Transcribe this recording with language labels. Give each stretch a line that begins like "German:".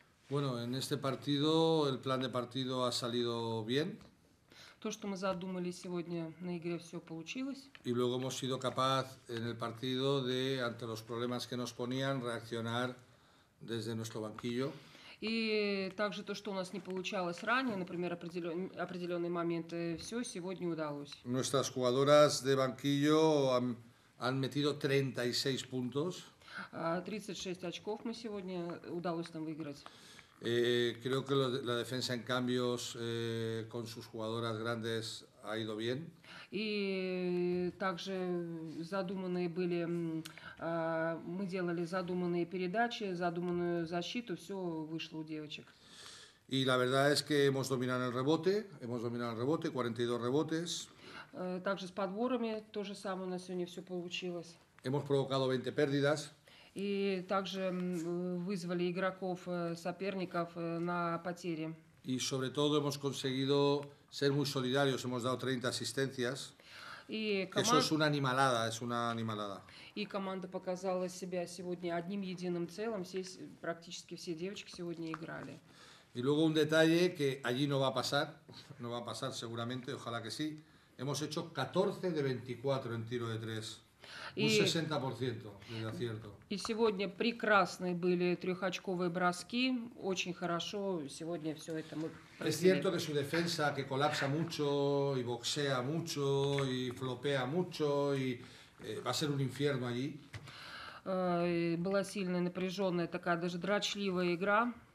Spanish: Bueno, en este partido el plan de partido ha salido bien.
Russian: То, что мы задумали сегодня на игре, все получилось.
Spanish: И luego hemos sido capaz en el partido de ante los problemas que nos ponían reaccionar desde nuestro banquillo.
Russian: И также то, что у нас не получалось ранее, например, определенные моменты, все сегодня удалось.
Spanish: Nuestras jugadoras de banquillo han metido 36 puntos.
Russian: 36 очков мы сегодня удалось нам выиграть.
Spanish: Creo que la defensa en cambios con sus jugadoras grandes ha ido bien.
Russian: Y также задуманные были, мы делали задуманные передачи, задуманную защиту, все вышло у девочек.
Spanish: Y la verdad es que hemos dominado el rebote, 42 rebotes.
Russian: Также с подборами то же самое у нас сегодня все получилось.
Spanish: Hemos provocado 20 pérdidas.
Russian: И также вызвали игроков соперников на потери.
Spanish: И, sobre todo, hemos conseguido ser muy solidarios. Hemos dado 30 asistencias. Eso es una animalada, es una animalada.
Russian: И команда показала себя сегодня одним единым целым. Все, практически все девочки сегодня играли.
Spanish: Y luego un detalle que allí no va a pasar, no va a pasar seguramente, ojalá que sí. Hemos hecho 14 de 24 en tiro de 3. Un 60% de acierto.
Russian: И сегодня прекрасные были трехочковые броски, очень хорошо сегодня все это мы проделали.
Spanish: Es cierto que su defensa que colapsa mucho y boxea mucho y flopea mucho y va a ser un infierno allí.
Russian: Была сильная, напряженная, такая даже драчливая игра.